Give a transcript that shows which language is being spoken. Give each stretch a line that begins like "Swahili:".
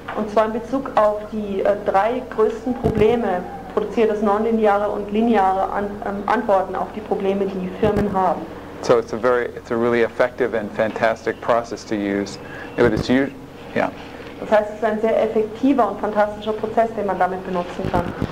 German: Und zwar in Bezug auf die drei größten Probleme. Produziert es nonlineare und lineare Antworten auf die Probleme, die Firmen haben.
English: So it's a really effective and fantastic process to use.
German: Das heißt, es ist ein sehr effektiver und fantastischer Prozess, den man damit benutzen kann.